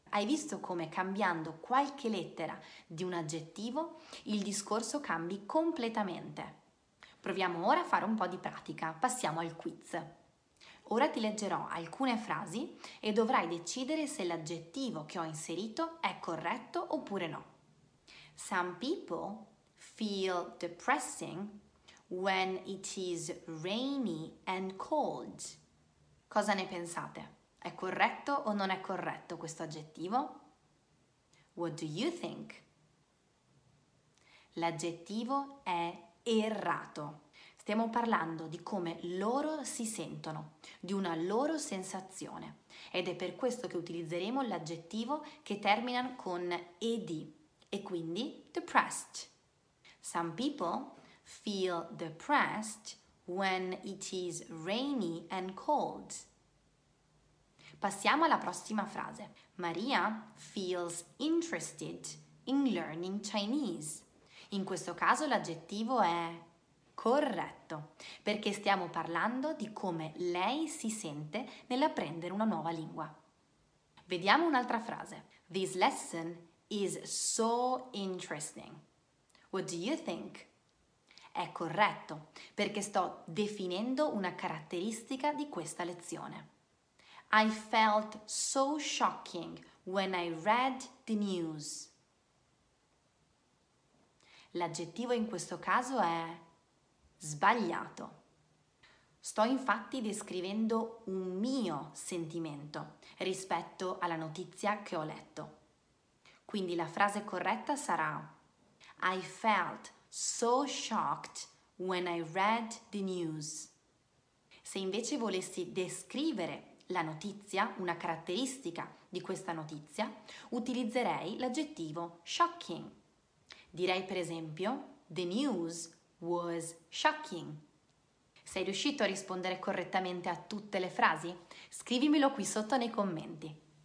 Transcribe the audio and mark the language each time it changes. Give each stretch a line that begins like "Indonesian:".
Italian: Hai visto come cambiando qualche lettera di un aggettivo il discorso cambi completamente? Proviamo ora a fare un po' di pratica. Passiamo al quiz. Ora ti leggerò alcune frasi e dovrai decidere se l'aggettivo che ho inserito è corretto oppure no.
English: Some people feel depressing when it is rainy and cold.
Italian: Cosa ne pensate? È corretto o non è corretto questo aggettivo?
English: What do you think?
Italian: L'aggettivo è errato. Stiamo parlando di come loro si sentono, di una loro sensazione. Ed è per questo che utilizzeremo l'aggettivo che termina con ed. E quindi depressed.
English: Some people feel depressed when it is rainy and cold.
Italian: Passiamo alla prossima frase.
English: Maria feels interested in learning Chinese.
Italian: In questo caso l'aggettivo è corretto, perché stiamo parlando di come lei si sente nell'apprendere una nuova lingua. Vediamo un'altra frase.
English: This lesson is so interesting. What do you think?
Italian: È corretto, perché sto definendo una caratteristica di questa lezione.
English: I felt so shocking when I read the news.
Italian: L'aggettivo in questo caso è sbagliato. Sto infatti descrivendo un mio sentimento rispetto alla notizia che ho letto. Quindi la frase corretta sarà
English: I felt so shocked when I read the news.
Italian: Se invece volessi descrivere la notizia, una caratteristica di questa notizia, utilizzerei l'aggettivo shocking. Direi per esempio
English: The news was shocking.
Italian: Sei riuscito a rispondere correttamente a tutte le frasi? Scrivimelo qui sotto nei commenti.